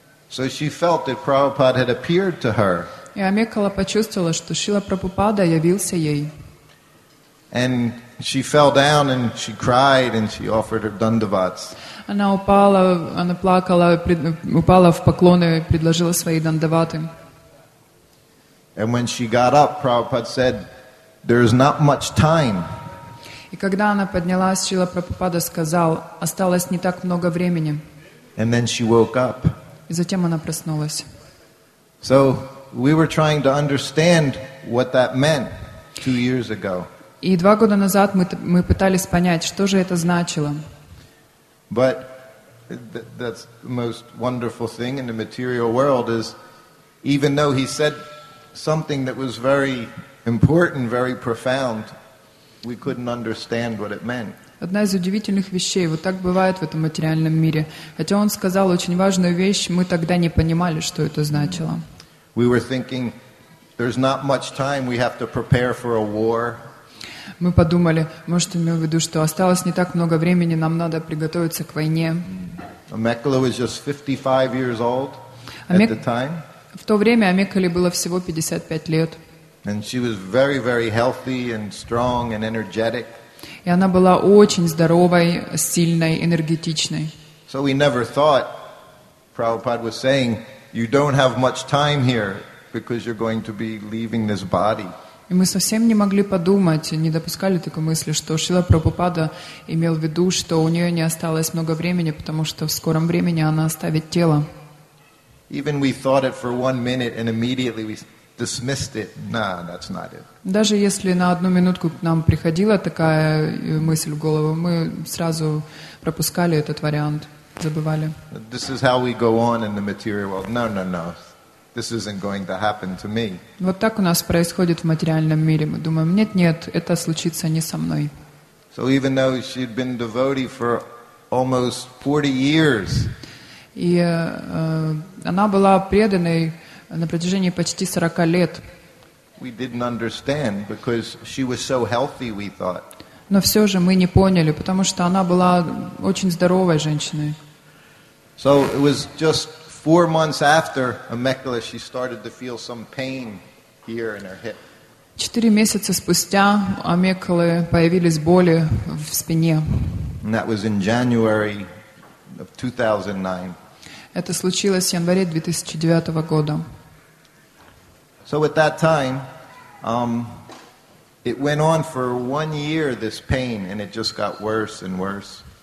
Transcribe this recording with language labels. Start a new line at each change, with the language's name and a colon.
English: So she felt that Prabhupada had appeared to her.
Russian: И Меккала почувствовала, что Шрила Прабхупада явился ей.
English: And she fell down and she cried and she offered her dandavats.
Russian: Она упала, она плакала, упала в поклоны и предложила свои дандаваты.
English: And when she got up, Prabhupada said, "There is not much time."
Russian: И когда она поднялась, Шрила Прабхупада сказал, осталось не так много времени.
English: And then she woke up.
Russian: И затем она проснулась.
English: So we were trying to understand what that meant 2 years ago.
Russian: И 2 года назад мы пытались понять, что же это значило.
English: But that's the most wonderful thing in the material world is, even though he said something that was very important, very profound, we couldn't understand what it meant.
Russian: Одна из удивительных вещей, вот так бывает в этом материальном мире. Хотя он сказал очень важную вещь, мы тогда не понимали, что это значило.
English: We were thinking, there's not much time, we have to prepare for a war.
Russian: Мы подумали, может, имел в виду, что осталось не так много времени, нам надо приготовиться к войне.
English: Меккала was just 55 years old at the time.
Russian: В то время Меккале было всего 55 лет.
English: And she was very, very healthy and strong and energetic.
Russian: И она была очень здоровой, сильной, энергетичной.
English: So we never thought, Prabhupada was saying, you don't have much time here because you're going to be leaving this body.
Russian: И мы совсем не могли подумать, не допускали такой мысли, что Шрила Прабхупада имел в виду, что у нее не осталось много времени, потому что в скором времени она оставит тело.
English: Even we thought it for 1 minute and immediately we dismissed it. Nah, that's not it.
Russian: Даже если на одну минутку к нам приходила такая мысль в голову, мы сразу пропускали этот вариант, забывали.
English: This is how we go on in the material world. No. This isn't going to happen to me.
Russian: Вот так у нас происходит в материальном мире. Мы думаем, нет, это случится не со мной.
English: So even though she'd been devotee for almost 40 years,
Russian: И она была преданной на протяжении почти 40 лет.
English: We didn't understand because she was so healthy, we thought.
Russian: Но все же мы не поняли, потому что она была очень здоровой женщиной.
English: So it was just 4 months after Amekela, she started to feel some pain here in her hip.
Russian: 4 месяца спустя у Амекалы появились боли в спине.
English: And that was in January of 2009.
Russian: Это случилось в январе 2009 года.
English: So at that time, it went on for 1 year, this pain, and it just got worse and worse.